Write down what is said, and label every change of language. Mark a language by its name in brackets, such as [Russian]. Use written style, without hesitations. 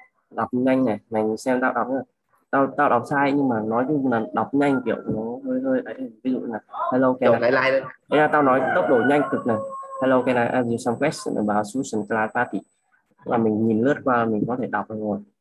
[Vietnamese] Đọc nhanh này, mình xem tao đọc rồi. Tao đọc sai nhưng mà nói chung là đọc nhanh kiểu nó hơi đấy. Ví dụ là [English] hello can I like [Vietnamese] lên. Thế là tao nói tốc độ nhanh cực này. [English] Hello can I ask you some questions about Susan Clark Party? [Vietnamese] Là mình nhìn lướt qua mình có thể đọc được rồi.